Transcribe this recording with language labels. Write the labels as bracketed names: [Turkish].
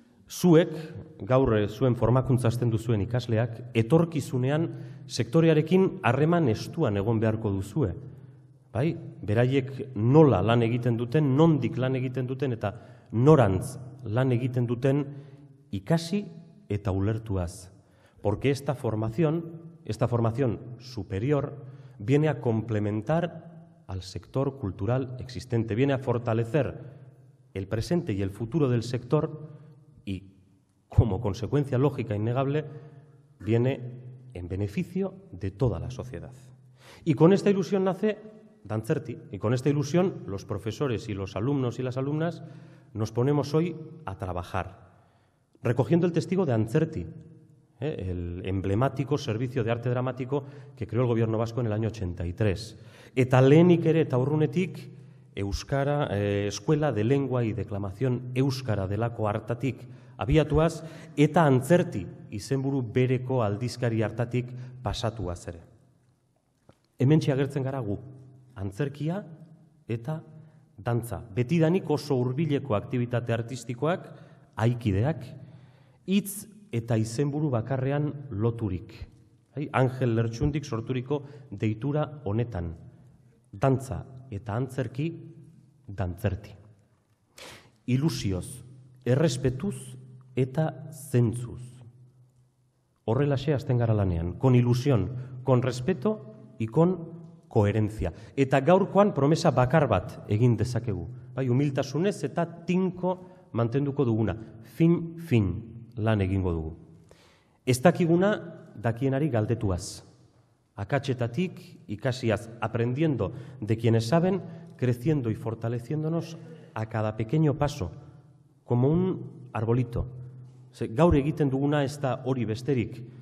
[Basque] Zuek, gaur zuen formakuntza hasten duzuen ikasleak, etorkizunean sektorearekin harreman estuan egon beharko duzue. Bai, beraiek nola lan egiten duten, nondik lan egiten duten eta norantz lan egiten duten ikasi eta ulertuaz. [Spanish] Porque esta formación superior, viene a complementar al sector cultural existente, viene a fortalecer el presente y el futuro del sector y, como consecuencia lógica innegable, viene en beneficio de toda la sociedad. Y con esta ilusión nace Dantzerti, y con esta ilusión los profesores y los alumnos y las alumnas nos ponemos hoy a trabajar, recogiendo el testigo de Dantzerti, el emblemático servicio de arte dramático que creó el gobierno vasco en el año 83. [Basque] Eta lehenik ere eta urrunetik, Euskara, Escuela de Lengua y Declamación Euskara delako hartatik abiatuaz, eta Dantzerti izenburu bereko aldizkari hartatik pasatuaz ere. Hemen agertzen gara gu, antzerkia eta dantza. Betidanik oso hurbileko aktibitate artistikoak, aikideak, hitz eta izenburu bakarrean loturik. Angel Lertxundik sorturiko deitura honetan. Dantza eta antzerki, Dantzerti. Ilusioz, errespetuz eta zentzuz. Horrelaxe hasten gara lanean, [Spanish] con ilusión, con respeto y con koherentzia. [Basque] Eta gaurkoan promesa bakar bat egin dezakegu. Bai, humiltasunez eta tinko mantenduko duguna. Fin, lan egingo dugu. Ez dakiguna dakienari galdetuaz. Akatsetatik ikasiaz, [Spanish] aprendiendo de quienes saben, creciendo y fortaleciéndonos a cada pequeño paso, como un arbolito. [Basque] Gaur egiten duguna ez da hori besterik.